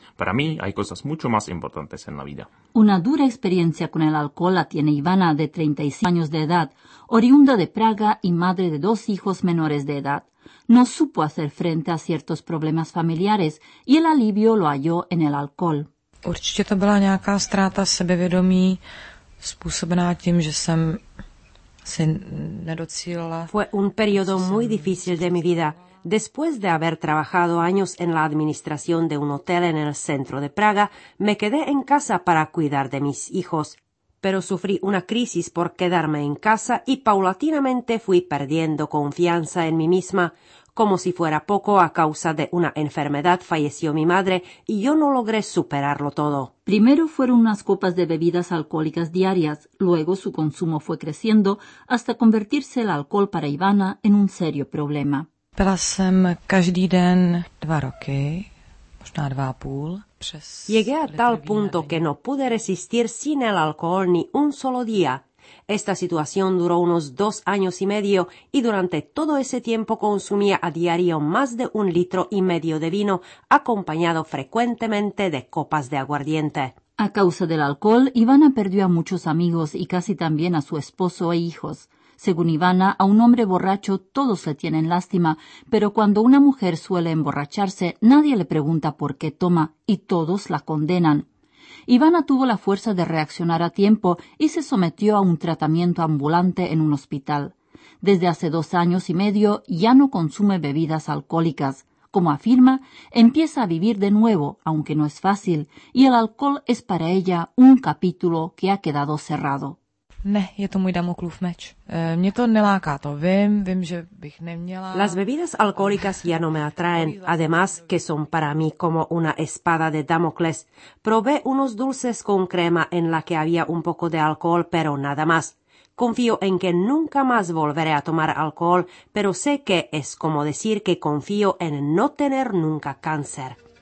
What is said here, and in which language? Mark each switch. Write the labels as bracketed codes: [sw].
[es] Para mí hay cosas mucho más importantes en la vida. Una dura experiencia con el alcohol la tiene Ivana, de 35 años de edad, oriunda de Praga y madre de dos hijos menores de edad. No supo hacer frente a ciertos problemas familiares y el alivio lo halló en el alcohol. [cs] Určitě to byla nějaká ztráta sebevědomí, způsobená tím, že jsem se nedocílila. [es] Fue un periodo muy difícil de mi vida. Después de haber trabajado años en la administración de un hotel en el centro de Praga, me quedé en casa para cuidar de mis hijos. Pero sufrí una crisis por quedarme en casa y paulatinamente fui perdiendo confianza en mí misma. Como si fuera poco, a causa de una enfermedad falleció mi madre y yo no logré superarlo todo. Primero fueron unas copas de bebidas alcohólicas diarias, luego su consumo fue creciendo hasta convertirse el alcohol para Ivana en un serio problema. [cs] Pila jsem každý den 2 roky, možná 2,5. [es] Llegué a tal punto que no pude resistir sin el alcohol ni un solo día. Esta situación duró unos 2 años y medio y durante todo ese tiempo consumía a diario más de 1,5 litros de vino, acompañado frecuentemente de copas de aguardiente. A causa del alcohol, Ivana perdió a muchos amigos y casi también a su esposo e hijos. Según Ivana, a un hombre borracho todos le tienen lástima, pero cuando una mujer suele emborracharse, nadie le pregunta por qué toma y todos la condenan. Ivana tuvo la fuerza de reaccionar a tiempo y se sometió a un tratamiento ambulante en un hospital. Desde hace 2 años y medio ya no consume bebidas alcohólicas. Como afirma, empieza a vivir de nuevo, aunque no es fácil, y el alcohol es para ella un capítulo que ha quedado cerrado. [cs] Ne, je to můj Damoklův meč. Mě to neláká, to vím, že bych neměla. [es] Las bebidas alcohólicas ya no me atraen, además que son para mí como una espada de Damocles. Probé unos dulces con crema en la que había un poco de alcohol, pero nada más. Confío en que nunca más volveré a tomar alcohol, pero sé que es como decir que confío en no tener nunca cáncer.